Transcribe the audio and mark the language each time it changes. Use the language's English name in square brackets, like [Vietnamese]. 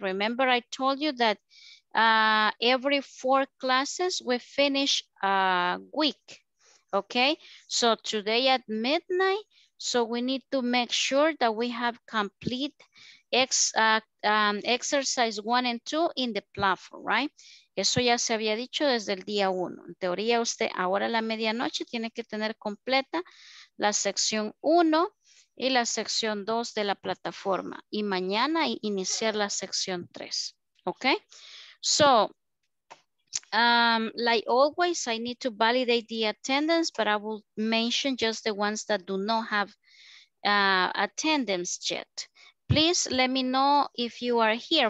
[English] Remember I told you that every four classes we finish a week, okay? So today at midnight, so we need to make sure that we have complete exercise 1 and 2 in the platform, right? [Spanish] Eso ya se había dicho desde el día 1. En teoría, usted ahora a la medianoche tiene que tener completa la sección 1 y la sección 2 de la plataforma. Y mañana iniciar la sección 3, okay? [English] So, like always, I need to validate the attendance, but I will mention just the ones that do not have attendance yet. Please let me know if you are here.